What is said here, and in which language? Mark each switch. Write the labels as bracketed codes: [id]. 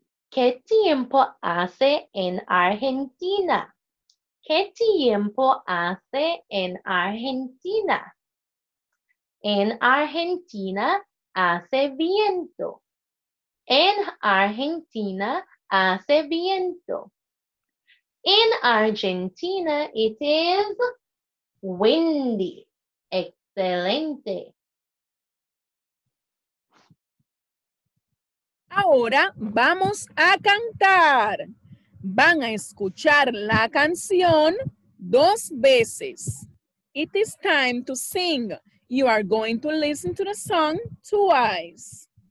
[es] ¿Qué tiempo hace en Argentina? ¿Qué tiempo hace en Argentina? En Argentina hace viento. En Argentina hace viento. [en] In Argentina, it is windy. [es] Excelente. Ahora vamos a cantar. Van a escuchar la canción dos veces. [en] It is time to sing. You are going to listen to the song twice.